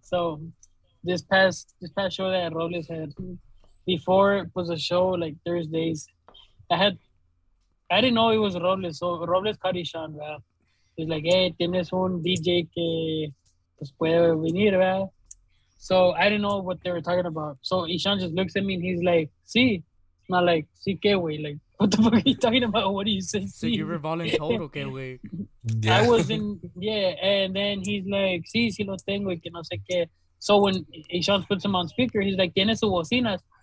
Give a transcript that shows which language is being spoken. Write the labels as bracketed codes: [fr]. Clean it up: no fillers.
[en] So, this past show that Robles had, before it was a show, like, Thursdays, I didn't know it was Robles. So, Robles caught ishaan, bro. He's like, hey, [es] tienes un DJ que pues puede venir, [en] bro. So, I didn't know what they were talking about. So, ishaan just looks at me and he's like, sí. And I'm like, [es] sí, qué güey. [en] Like, what the fuck are you talking about? What do you say? So, sí. You were voluntold, okay, güey. Yeah. I wasn't, yeah. And then he's like, [es] sí, sí lo tengo y que no sé qué. [en] So, when ishaan puts him on speaker, he's like, [es] tienes sus bocinas.